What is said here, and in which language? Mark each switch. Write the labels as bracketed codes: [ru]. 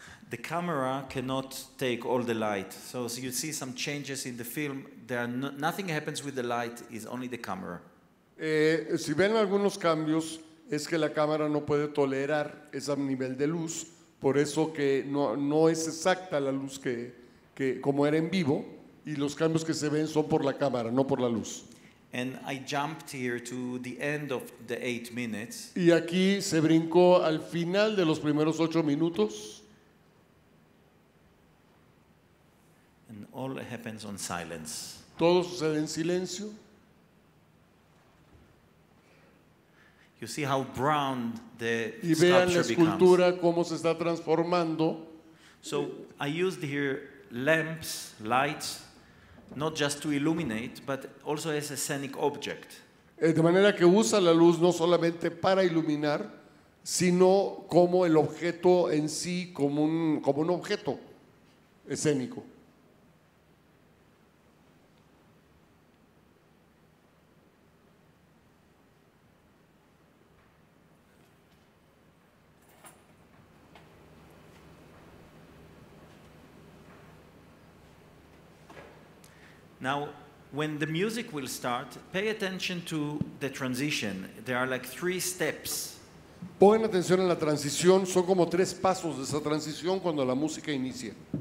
[en] The camera cannot take all the light. So you see some changes in the film. Nothing happens with the light, it's only the camera. [es] Si ven algunos cambios, es que la cámara no puede tolerar ese nivel de luz, por eso que no es exacta la luz que como era en vivo, y los cambios que se ven son por la cámara, no por la luz. [en] And I jumped here to the end of the 8 minutes. [es] Y aquí se brincó al final de los primeros 8 minutos. [en] And all happens on silence. [es] Todo sucede en silencio. [en] You see how brown the [es] y vean [en] sculpture [es] la escultura [en] becomes. [es] Cómo se está transformando. [en] So I used here lamps, lights, not just to illuminate, but also as a scenic object. [es] De manera que usa la luz no solamente para iluminar, sino como el objeto en sí, como un objeto escénico. [en] Now, when the music will start, pay attention to the transition. There are like 3 steps. [es] Pongan atención a la transición. Son como 3 pasos de esa transición cuando la música inicia.